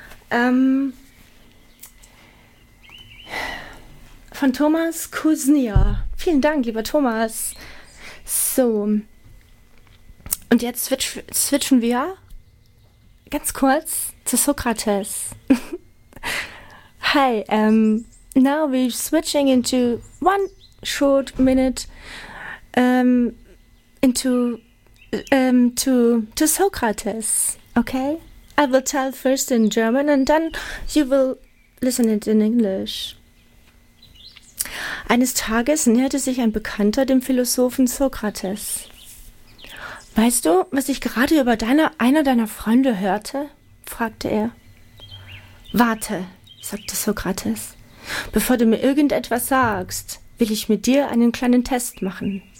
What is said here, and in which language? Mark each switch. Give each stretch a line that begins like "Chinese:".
German: Von Thomas Kuznia. Vielen Dank, lieber Thomas. So. Und jetzt switchen wir ganz kurz zu Sokrates.
English: Hi, now we're switching into one short minute into to Socrates, okay? I will tell first in German and then you will listen it in English.
German: Eines Tages näherte sich ein Bekannter dem Philosophen Sokrates. Weißt du, was ich gerade über einer deiner Freunde hörte? Fragte er. Warte, sagte Sokrates. Bevor du mir irgendetwas sagst, will ich mit dir einen kleinen Test machen.